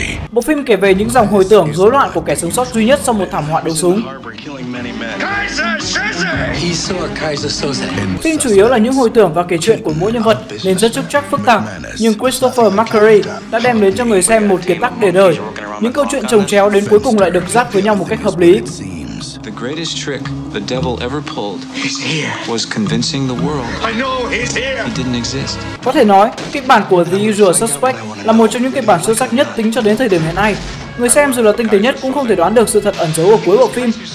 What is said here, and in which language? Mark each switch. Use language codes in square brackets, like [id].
[vi] Bộ phim kể về những dòng hồi tưởng rối loạn của kẻ sống sót duy nhất sau một thảm họa đổ súng. Phim chủ yếu là những hồi tưởng và kể chuyện của mỗi nhân vật nên rất trúc trắc phức tạp, nhưng Christopher McQuarrie đã đem đến cho người xem một kiệt tác để đời. Những câu chuyện chồng chéo đến cuối cùng lại được giáp với nhau một cách hợp lý. [en] The greatest trick the devil ever pulled was convincing the world he didn't exist. [vi] Có thể nói, kịch bản của The Usual Suspect là một trong những kịch bản xuất sắc nhất tính cho đến thời điểm hiện nay. Người xem dù là tinh tế nhất cũng không thể đoán được sự thật ẩn giấu ở cuối bộ phim.